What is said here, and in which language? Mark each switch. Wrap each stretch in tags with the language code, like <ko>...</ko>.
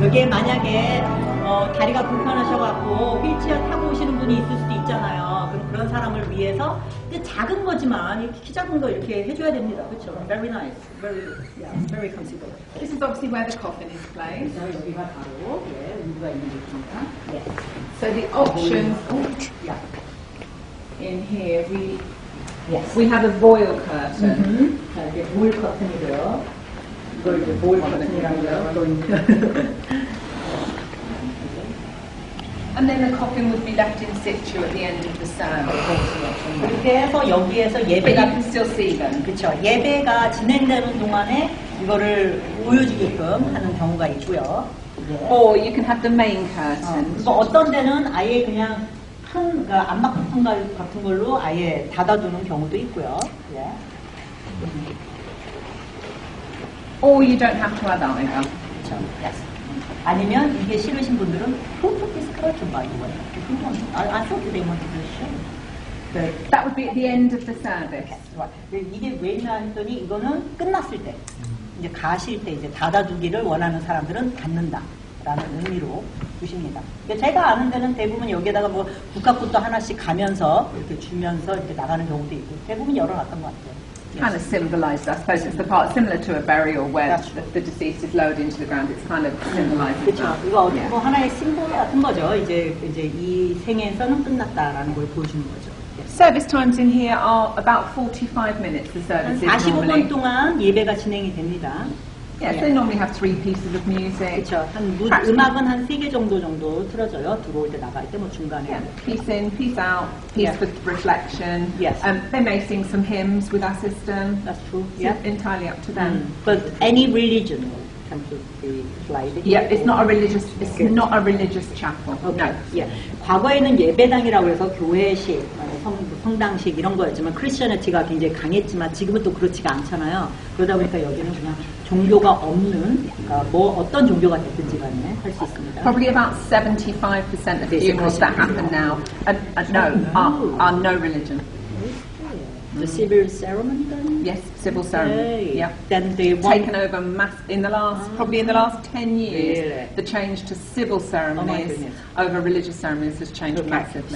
<ko>여기 만약에 다리가 불편하셔갖고 휠체어 타고 오시는 분이 있을 수도 있잖아요. 그런 사람을 위해서 작은 거지만 키 작은 거 이렇게 해줘야 됩니다. 그렇죠.</ko> <en>Very nice. Very considerate. This is obviously where the coffin is placed.</en> <ko>여기가 바로 의무가 있는 곳입니다.</ko> <en>So the options. Oh, yeah. In here we have a voile curtain.</en> <ko>Mm-hmm. 자, 이게 voile curtain이고요. 이걸 이제 voile curtain이라고요.</ko> <en>And then the coffin would be left in situ at the end of the service.</en> <ko>이렇게 해서 여기에서 예배가</ko> <en>But you can still see them.</en> <ko>그렇죠. 예배가 진행되는 동안에 이거를 보여주게끔 하는 경우가 있고요.</ko> <en>Or you can have the main curtain.</en> <ko>그거 어떤 데는 아예 그냥 그러니까 암막 같은 걸로 아예 닫아두는 경우도 있고요.</ko> <en>Yeah. Or you don't have to have that either.</en> <ko>그렇죠.</ko> <en>Yes.</en> <ko>아니면 이게 싫으신 분들은</ko> <en>Who put this curtain by the way? I thought they wanted to show. That would be at the end of the service. Okay.</en> <ko>이게 왜냐 했더니 이거는 끝났을 때 이제 가실 때 이제 닫아두기를 원하는 사람들은 닫는다. 라는 의미로 두십니다. 제가 아는 데는 대부분 여기에다가 뭐 국화꽃도 하나씩 가면서 이렇게 주면서 이렇게 나가는 경우도 있고 대부분 열어놨던 것 같아요.</ko> <en>Kind of symbolized, I suppose it's the part similar to a burial where the deceased is lowered into the ground. It's kind of symbolized.</en> <ko>그렇죠. 이거 뭐 하나의 심볼 같은 거죠. 이제 이 생에서는 끝났다라는 걸 보여주는 거죠.</ko> <en>Service times in here are about 45 minutes. The service is normally</en> <ko>45분 동안 예배가 진행이 됩니다.</ko> <en>Yes, they normally have three pieces of music.</en> <ko>그렇죠. 음악은 한 세 개 정도 틀어져요. 들어올 때 나갈 때 뭐 중간에.</ko> <en>Yeah, piece in, piece out, piece with reflection. Yes. They may sing some hymns with our system. That's true. It's entirely up to them. But any religion will come to be played. Yeah, it's not a religious. It's not a religious chapel. Okay. No. Yeah.</en> <ko>과거에는 예배당이라고 해서 교회식, 성당식 이런 거였지만 크리스천티가 굉장히 강했지만 지금은 또 그렇지가 않잖아요. 그러다 보니까 여기는 그냥 종교가 없는 그러니까 뭐 어떤 종교가 됐든지 간에 할 수 있습니다.</ko> <en>Probably about 75% of funerals that happen now are no religion. The civil ceremony then? Yes, civil ceremony. Okay. Yep. Then they taken over mass in the last probably in the last 10 years. Really? The change to civil ceremonies over religious ceremonies has changed massively.</en>